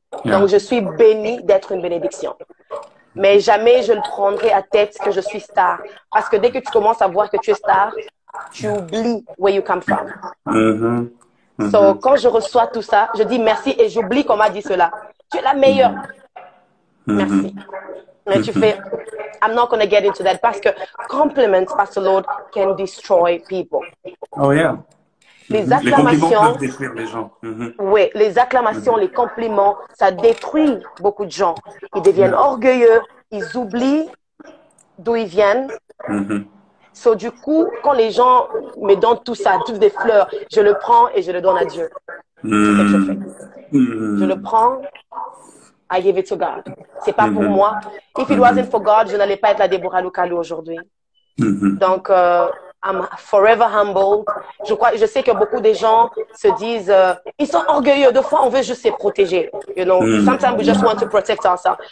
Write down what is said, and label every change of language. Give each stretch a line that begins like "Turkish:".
French: Donc, je suis bénie d'être une bénédiction. Mais jamais je ne prendrai à tête que je suis star. Parce que dès que tu commences à voir que tu es star, tu oublies
English: where you come from.
French: So, quand je reçois tout ça, je dis merci et j'oublie qu'on m'a dit cela. Tu es la meilleure. Merci. Mais tu fais,
English: I'm not going to get into that.
French: Parce que compliments,
English: Pastor Lord, can destroy people. Oh, yeah.
French: Les acclamations, les compliments peuvent détruire les gens. Oui, les acclamations, les compliments, ça détruit beaucoup de gens. Ils deviennent orgueilleux, ils oublient d'où ils viennent. So, du coup, quand les gens me donnent tout ça, toutes des fleurs, je le prends et je le donne à Dieu. C'est ce que je fais. Je le prends,
English: I give it to God.
French: C'est pas pour moi.
English: If it wasn't for God,
French: je n'allais pas être la Déborah Lucalou aujourd'hui. Donc,
English: I'm forever humbled.
French: Je sais que beaucoup de gens se disent, ils sont orgueilleux. De fois, on veut juste se protéger.
English: You know, sometimes we just want to protect ourselves.